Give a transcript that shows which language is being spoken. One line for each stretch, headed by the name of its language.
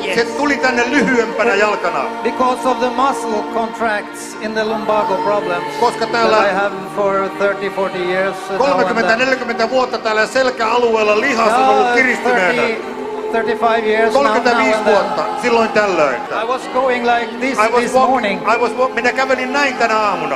Finnish: Se tuli tänne lyhyempänä jalkana.
English: Because of the muscle contracts in the lumbago problem.
Finnish: Koska täällä
English: I have for 30-40 years.
Finnish: 30-40 vuotta täällä selkäalueella lihas on ollut kiristyneenä.
English: 35 years.
Finnish: 35 vuotta silloin tällöin.
English: I was going like this morning.
Finnish: Minä kävelin näin tänä aamuna.